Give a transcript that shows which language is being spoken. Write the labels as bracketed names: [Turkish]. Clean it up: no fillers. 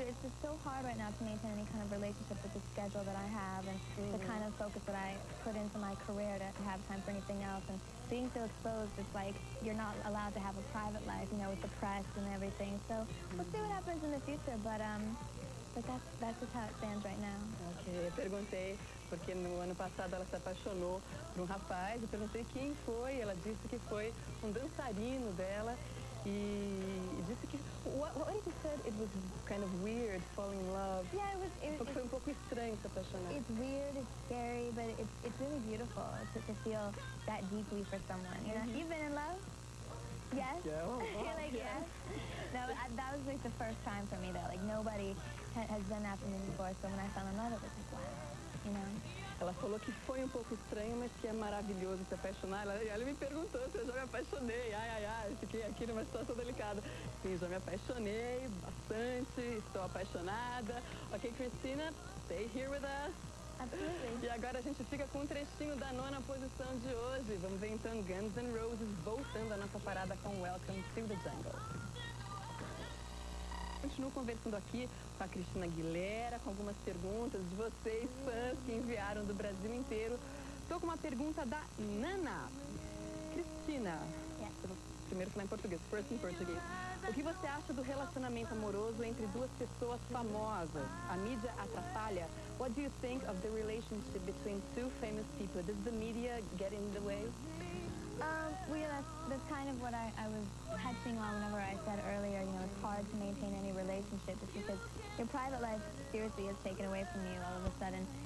[English] It's just so hard right now to maintain any kind of relationship with the schedule that I have and the kind of focus that I put into my career to have time for anything else. And being so exposed, it's like you're not allowed to have a private life, you know, with the press and everything. So we'll see what happens in the future. But that's just how it stands right now. [Portuguese] Okay, perguntei porque no ano passado ela se apaixonou por rapaz. Eu perguntei quem foi. Ela disse que foi dançarino dela. E disse que [English] what if you said it was kind of weird falling in love? Yeah, it was [Portuguese] um pouco estranho se apaixonar. [English] It's weird, it's scary, but it's really beautiful to feel that deeply for someone. You know, you've been in love? Yes. Yeah. You're like yes. No, that was like the first time for me though. Like nobody has done that for me before. So when I fell in love, it was like wow. You know. [Portuguese] Ela falou que foi um pouco estranho, mas que é maravilhoso se apaixonar. Ela me perguntou se eu já me apaixonei. Ai, ai, ai, fiquei aqui numa situação delicada. Sim, já me apaixonei bastante, estou apaixonada. [English] Ok, Cristina, stay here with us. Absolutely. [Portuguese] E agora a gente fica com um trechinho da nona posição de hoje. Vamos ver então Guns N' Roses voltando à nossa parada com Welcome to the Jungle. Continuo conversando aqui com a Cristina Aguilera, com algumas perguntas de vocês, fãs que enviaram do Brasil inteiro. Estou com uma pergunta da Nana. Cristina, [English] yes. [Portuguese] primeiro falar em português. First em português. O que você acha do relacionamento amoroso entre duas pessoas famosas? A mídia atrapalha? [English] What do you think of the relationship between two famous people? Does the media get in the way? Well, that's kind of what I was touching on whenever I said earlier, you know, it's hard to maintain any relationship. It's because your private life seriously is taken away from you all of a sudden.